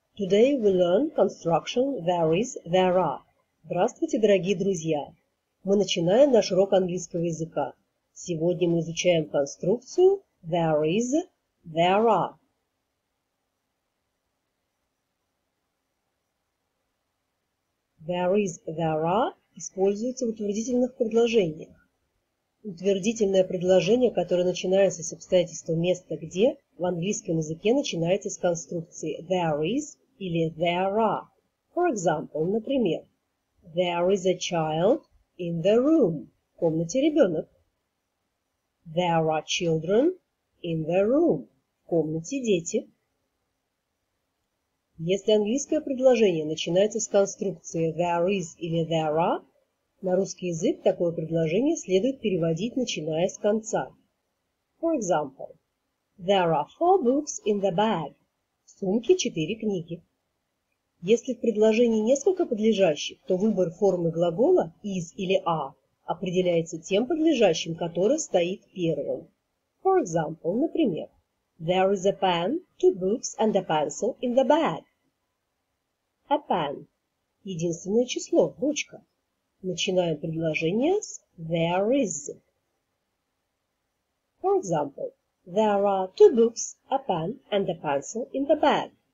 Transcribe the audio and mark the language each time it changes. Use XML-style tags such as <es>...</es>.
<en>Today we learn construction there is, there are.</en> <ru>Здравствуйте, дорогие друзья! Мы начинаем наш урок английского языка. Сегодня мы изучаем конструкцию</ru> <en>there is, there are. There is, there are</en> <ru>используется в утвердительных предложениях. Утвердительное предложение, которое начинается с обстоятельства места «где», в английском языке начинается с конструкции «there is» или «there are».</ru> <en>For example,</en> <ru>например,</ru> <en>«there is a child in the room» –</en> <ru>в комнате ребенок.</ru> <en>«There are children in the room» –</en> <ru>в комнате дети. Если английское предложение начинается с конструкции «there is» или «there are», на русский язык такое предложение следует переводить, начиная с конца.</ru> <en>For example, there are four books in the bag.</en> <ru>В сумке четыре книги. Если в предложении несколько подлежащих, то выбор формы глагола is или are определяется тем подлежащим, которое стоит первым.</ru> <en>For example,</en> <ru>например,</ru> <en>there is a pen, two books and a pencil in the bag. A pen</en> <ru>– единственное число, ручка. Начинаем предложение с there is.</ru> <en>For example, there are two books, a pen and a pencil in the bag.</en>